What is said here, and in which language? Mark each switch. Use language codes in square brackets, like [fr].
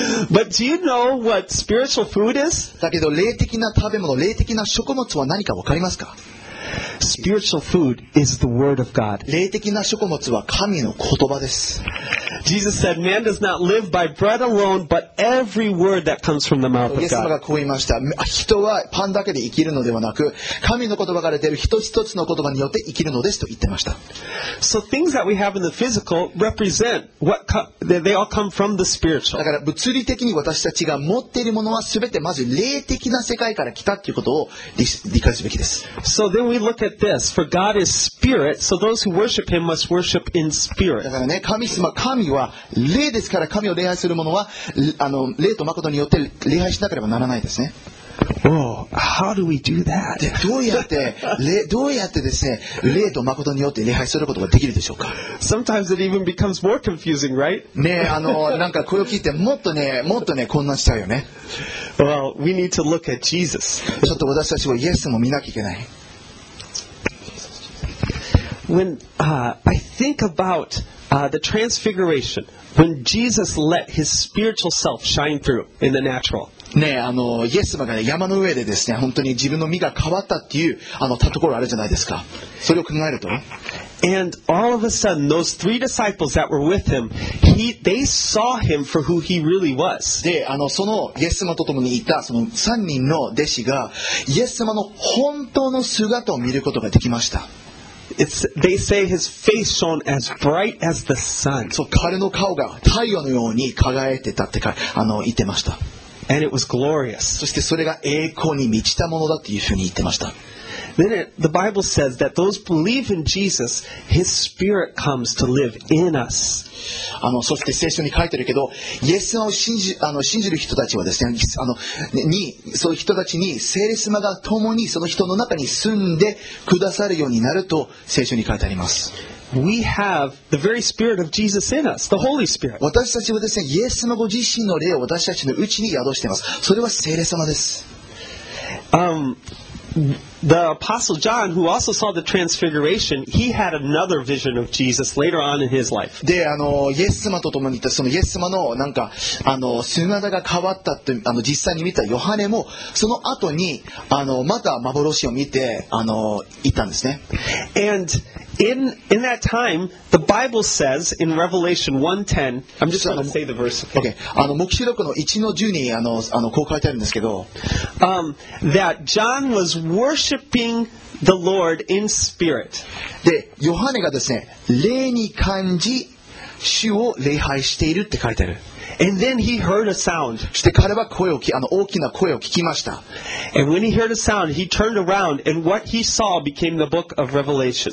[en] But do you know what spiritual food is? [ja] だけど、霊的な食べ物、霊的な食物は何かわかりますか？ [en] Spiritual food is the word of God. [ja] 霊的な食物は神の言葉です。 [en] Jesus said, man does not live by bread alone, but every word that comes from the mouth of God. [ja] イエス様がこう言いました。人はパンだけで生きるのではなく、神の言葉から出る一つ一つの言葉によって生きるのですと言ってました。 [en] So things that we have in the physical represent what they all come from the spiritual. [ja] だから物理的に私たちが持っているものは全てまず霊的な世界から来たということを理解すべきです。 [en] So then we look at this. For God is spirit, so those who worship him must worship in spirit. [ja] だからね、神は霊ですから神を礼拝する者は霊と誠によって礼拝しなければならないですね。 [en] Oh, how do we do that? [ja] で、どうやってですね、霊と誠によって礼拝することができるでしょうか。 [en] Sometimes it even becomes more confusing, right? [ja] ね、なんかこれを聞いてもっとね、混乱しちゃうよね。 [en] Well, we need to look at Jesus. [ja] ちょっと私たちもイエスも見なきゃいけない。 [en] When I think about the transfiguration, when Jesus let his spiritual self shine through in the natural. [ja] ね、イエス様が、ね、山の上でですね、本当に自分の身が変わったっていうたところあるじゃないですか。それを考えると。 [en] And all of a sudden, those three disciples that were with him, they saw him for who he really was. [ja] で、そのイエス様と共にいたその3人の弟子が、イエス様の本当の姿を見ることができました。 [en] They say his face shone as bright as the sun. [ja] そう、彼の顔が太陽のように輝いてたってか、言ってました。 [en] And it was glorious. [ja] そしてそれが栄光に満ちたものだというふうに言ってました。 [en] Then the Bible says that those believe in Jesus, his spirit comes to live in us. [ja] そして聖書に書いてるけど、イエス様を信じる人たちはですね、そういう人たちに聖霊様が共にその人の中に住んでくださるようになると聖書に書いてあります。 [en] We have the very spirit of Jesus in us, the Holy Spirit. [ja] 私たちはですね、イエス様ご自身の霊を私たちのうちに宿しています。それは聖霊様です。 [en] The Apostle John, who also saw the transfiguration, he had another vision of Jesus later on in his life. [ja] で、イエス様と共にいた、そのイエス様のなんか、姿が変わったって、実際に見たヨハネも、その後に、また幻を見て、いたんですね。 [en] And in that time, the Bible says in Revelation 1:10, I'm just going to say the verse. Okay. Okay. [ja] 黙示録の1の10に、こう書いてあるんですけど、 [en] that John was worshiping the Lord in spirit. [ja] で、ヨハネがですね、霊に感じ、主を礼拝しているって書いてある。 [en] And then he heard a sound. [ja] そして彼は声を大きな声を聞きました。 [en] And when he heard a sound, he turned around, and what he saw became the book of Revelation.